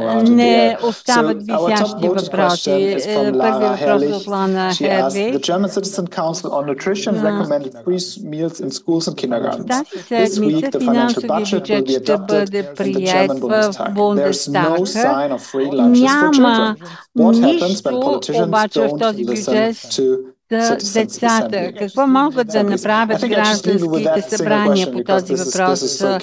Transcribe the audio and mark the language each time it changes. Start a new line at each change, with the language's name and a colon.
Bulgarian: Не остават висящи въпроси. Първият въпрос от Лана Херви.
English: The German Citizen Council on Nutrition recommended free meals in schools and kindergartens.
Bulgarian: Тази седмица финансовия бюджет ще бъде приет в Бундестага. Няма нищо обаче в този бюджет за децата. Какво могат да направят гражданските събрания по този въпрос?